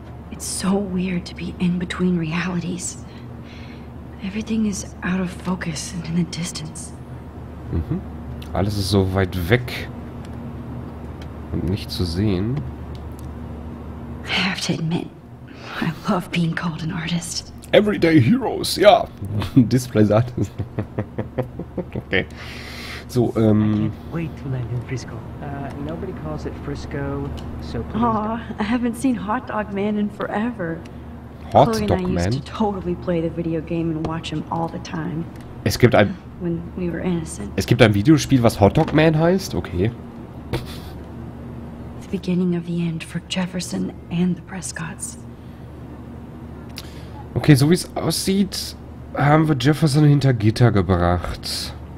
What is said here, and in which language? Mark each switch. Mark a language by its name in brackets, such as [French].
[English] It's so weird to be in between realities. Everything is out of focus and in the distance. Mhm. [German] Alles ist so weit weg und nicht zu sehen. [English] I have to admit, I love being called an artist. Everyday heroes, [German] ja. Display sagt es. Okay. So, [English] Wait to land in Frisco. Nobody calls it Frisco, so please. Aw, I haven't seen Hot Dog Man in forever. Hot Dog Man? Chloe and I used to totally play the video game and watch him all the time. [German] Es gibt ein... [English] When we were innocent. [German] Es gibt ein Videospiel, was Hot Dog Man heißt? [English] Okay. The beginning of the end for Jefferson and the Prescotts. [German] Okay, so wie es aussieht, haben wir Jefferson hinter Gitter gebracht.